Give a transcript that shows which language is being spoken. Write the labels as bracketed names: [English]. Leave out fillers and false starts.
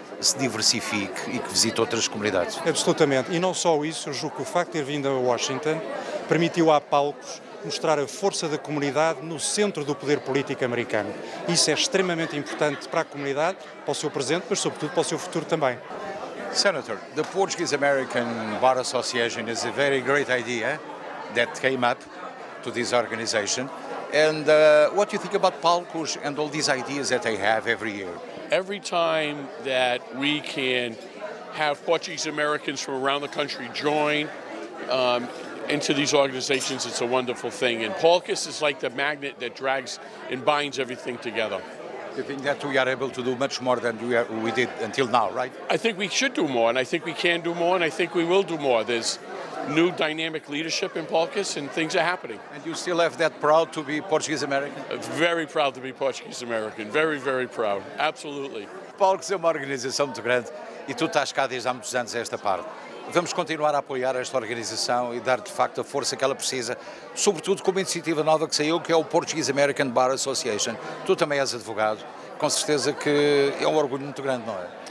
[Portuguese] se diversifique e que visite outras comunidades. Absolutamente. E não só isso, eu julgo que o facto de ter vindo a Washington permitiu à Palcos mostrar a força da comunidade no centro do poder político americano. Isso é extremamente importante para a comunidade, para o seu presente, mas sobretudo para o seu futuro também. [English] Senator, the Portuguese American Bar Association is a very great idea that came up to this organization. And what do you think about Palcos and all these ideas that they have every year? Every time that we can have Portuguese Americans from around the country join into these organizations, it's a wonderful thing. And Palcos is like the magnet that drags and binds everything together. You think that we are able to do much more than we did until now, right? I think we should do more, and I think we can do more, and I think we will do more. There's new dynamic leadership in Palcos, and things are happening. And you still have that proud to be Portuguese-American? Very proud to be Portuguese-American. Very, very proud. Absolutely. [Portuguese] Palcos é uma organização muito grande, e tu estás cá desde há muitos anos a esta parte. Vamos continuar a apoiar esta organização e dar, de facto, a força que ela precisa, sobretudo com uma iniciativa nova que saiu, que é o Portuguese American Bar Association. Tu também és advogado, com certeza que é um orgulho muito grande, não é?